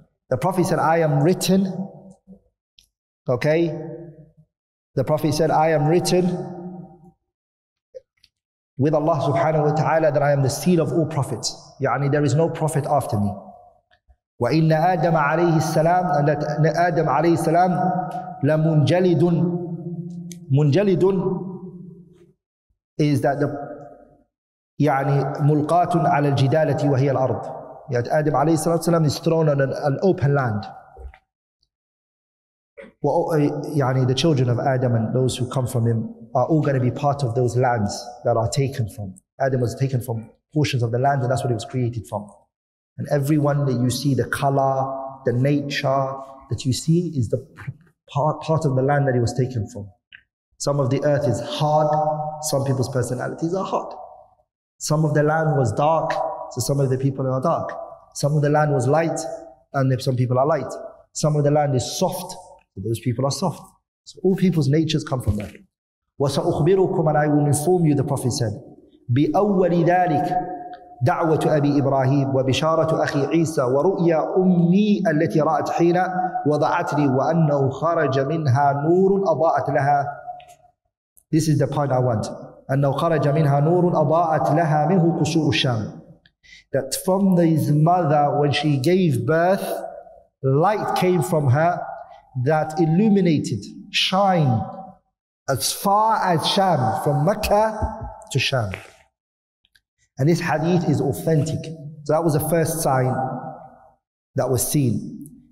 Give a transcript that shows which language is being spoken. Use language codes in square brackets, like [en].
[en] The Prophet said, I am written, okay? The Prophet said, I am written with Allah subhanahu wa ta'ala that I am the seed of all prophets. Ya'ani, there is no prophet after me. [ar] وَإِنَّ آدَمَ عَلَيْهِ السَّلَامِ [en] and that Adam [ar] عَلَيْهِ السَّلَامِ لَمُنْجَلِدٌ مُنْجَلِدٌ [en] is that the [ar] يعني مُلْقَاتٌ عَلَى الْجِدَالَةِ وَهِيَ الْأَرْضِ [en] that Adam [ar] عَلَيْهِ السَّلَامِ [en] is thrown on an open land. يعني the children of Adam and those who come from him are all going to be part of those lands that are taken from. Adam was taken from portions of the land and that's what he was created from. And everyone that you see, the color, the nature that you see is the part of the land that he was taken from. Some of the earth is hard, some people's personalities are hard. Some of the land was dark, so some of the people are dark. Some of the land was light, and some people are light. Some of the land is soft, so those people are soft. So all people's natures come from that. [ar] وَسَأُخْبِرُكُمْ [en] and I will inform you, the Prophet said, [ar] بِأَوَّلِ ذَلِكَ دعوة أبي إبراهيم وبشارة أخي عيسى ورؤيا أمي التي رأت حين وضعتني وأنه خرج منها نور أضاءت لها. [en] This is the point I want. [ar] أنه خرج منها نور أضاءت لها منه قصور الشام. [en] That from his mother when she gave birth, light came from her that illuminated, shine as far as Sham, from Mecca to Sham. And this hadith is authentic. So that was the first sign that was seen.